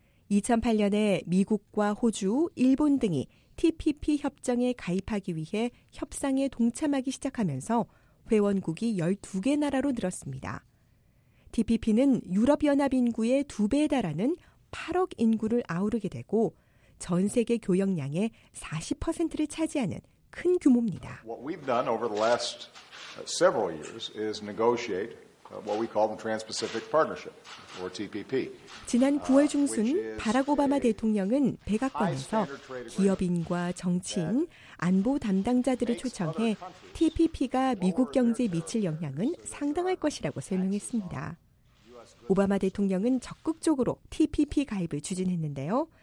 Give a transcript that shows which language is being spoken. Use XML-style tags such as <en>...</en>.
<ko>2008년에 미국과 호주, 일본 등이 TPP 협정에 가입하기 위해 협상에 동참하기 시작하면서 회원국이 12개 나라로 늘었습니다. TPP는 유럽연합 인구의 2배에 달하는 8억 인구를 아우르게 되고 전 세계 교역량의 40%를 차지하는 큰 규모입니다.</ko> <en>What we've done over the last several years is negotiate what we call the Trans-Pacific Partnership, or TPP.</en> <ko>지난 9월 중순 바락 오바마 대통령은 백악관에서 기업인과 정치인, 안보 담당자들을 초청해 TPP가 미국 경제에 미칠 영향은 상당할 것이라고 설명했습니다. 오바마 대통령은 적극적으로 TPP 가입을 추진했는데요.</ko>